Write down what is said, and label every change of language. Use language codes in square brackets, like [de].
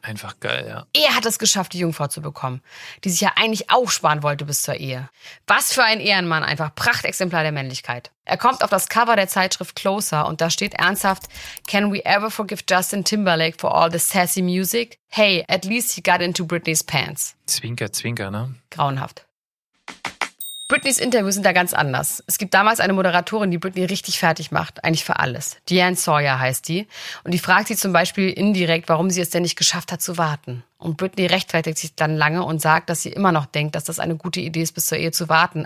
[de] Einfach geil, ja. Er hat es geschafft, die Jungfrau zu bekommen, die sich ja eigentlich auch sparen wollte bis zur Ehe. Was für ein Ehrenmann, einfach Prachtexemplar der Männlichkeit. Er kommt auf das Cover der Zeitschrift Closer und da steht ernsthaft, [en] can we ever forgive Justin Timberlake for all the sassy music? Hey, at least he got into Britney's pants. [de] Zwinker, zwinker, ne? Grauenhaft. Britneys Interviews sind da ganz anders. Es gibt damals eine Moderatorin, die Britney richtig fertig macht, eigentlich für alles. Deanne Sawyer heißt die. Und die fragt sie zum Beispiel indirekt, warum sie es denn nicht geschafft hat zu warten. Und Britney rechtfertigt sich dann lange und sagt, dass sie immer noch denkt, dass das eine gute Idee ist, bis zur Ehe zu warten.